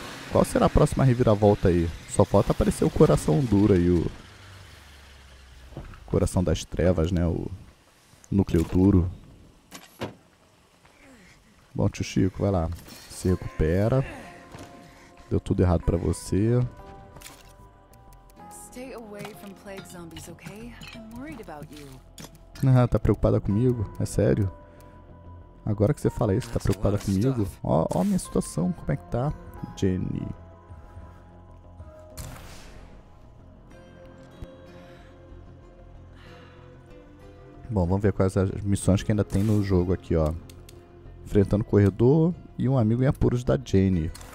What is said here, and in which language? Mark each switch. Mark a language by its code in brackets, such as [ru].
[pt] Qual será a próxima reviravolta aí? Só falta aparecer o coração duro aí, o coração das trevas, né? O núcleo duro. Bom, tio Chico, vai lá. Se recupera. Deu tudo errado pra você. [en] Stay away from plague zombies, okay? I'm worried about you. [pt] Ah, tá preocupada comigo? É sério? Agora que você fala isso, tá preocupada comigo? Ó a minha situação, como é que tá, Jenny? Bom, vamos ver quais as missões que ainda tem no jogo aqui, ó. Enfrentando o corredor e um amigo em apuros da Jenny.